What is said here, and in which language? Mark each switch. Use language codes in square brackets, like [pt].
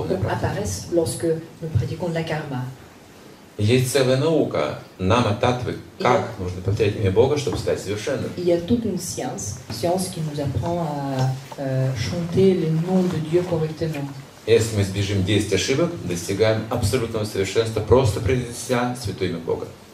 [fr] apparaissent lorsque nous pratiquons de la карма. [ru] Есть целая наука, нама-таттвы, как нужно повторять имя Бога, чтобы стать совершенным. [fr] Il y a toute une science, qui nous apprend à chanter le nom de Dieu correctement. [ru] Если мы избежим 10 ошибок, достигаем абсолютного совершенства, просто произнеся святое имя Бога.